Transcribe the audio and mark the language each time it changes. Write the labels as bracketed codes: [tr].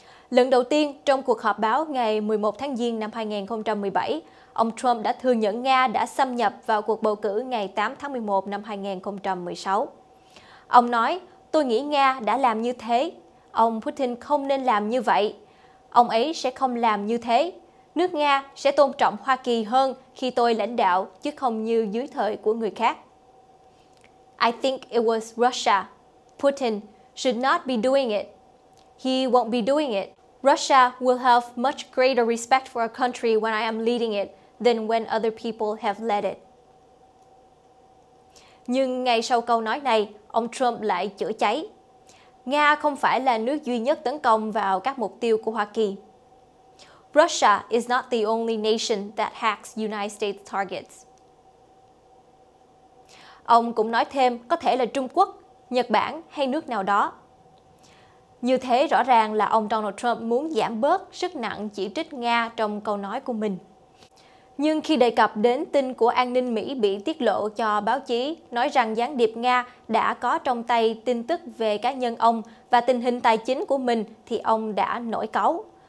[vi] Lần đầu tiên, trong cuộc họp báo ngày 11 tháng Giêng năm 2017, ông Trump đã thừa nhận Nga đã xâm nhập vào cuộc bầu cử ngày 8 tháng 11 năm 2016. Ông nói, tôi nghĩ Nga đã làm như thế. Ông Putin không nên làm như vậy. Ông ấy sẽ không làm như thế. Nước Nga sẽ tôn trọng Hoa Kỳ hơn khi tôi lãnh đạo, chứ không như dưới thời của người khác. [en] I think it was Russia. Putin should not be doing it. He won't be doing it. Russia will have much greater respect for a country when I am leading it than when other people have led it. [vi] Nhưng ngay sau câu nói này, ông Trump lại chữa cháy. Nga không phải là nước duy nhất tấn công vào các mục tiêu của Hoa Kỳ. [en] Russia is not the only nation that hacks United States targets. [vi] Ông cũng nói thêm có thể là Trung Quốc, Nhật Bản hay nước nào đó. Như thế rõ ràng là ông Donald Trump muốn giảm bớt sức nặng chỉ trích Nga trong câu nói của mình. Nhưng khi đề cập đến tin của an ninh Mỹ bị tiết lộ cho báo chí, nói rằng gián điệp Nga đã có trong tay tin tức về cá nhân ông và tình hình tài chính của mình, thì ông đã nổi cáu.